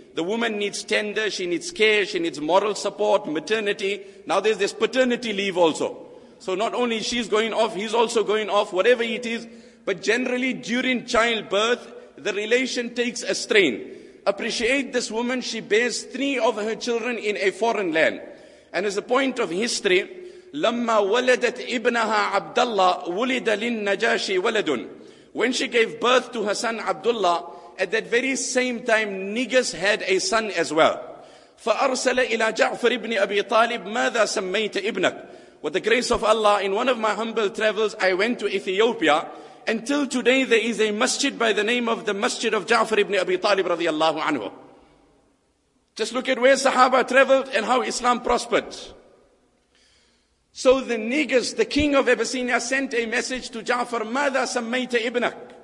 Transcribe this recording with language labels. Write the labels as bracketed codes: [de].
[en] The woman needs tender, she needs care, she needs moral support, maternity. Now there's this paternity leave also. So not only she's going off, he's also going off, whatever it is. But generally during childbirth, the relation takes a strain. Appreciate this woman, she bears three of her children in a foreign land. And as a point of history, [ar] لما ولدت ابنها عبد الله ولد للنجاشى ولد. [en] When she gave birth to her son Abdullah, at that very same time Negus had a son as well. [ar] فأرسل إلى جعفر ابن أبي طالب ماذا سميت ابنك. [en] With the grace of Allah, in one of my humble travels I went to Ethiopia. Until today there is a masjid by the name of the Masjid of Ja'far ibn Abi Talib رضي الله عنه. Just look at where Sahaba traveled and how Islam prospered. So the Negus, the king of Abyssinia, sent a message to Ja'far, [ar] ماذا سميت ابنك?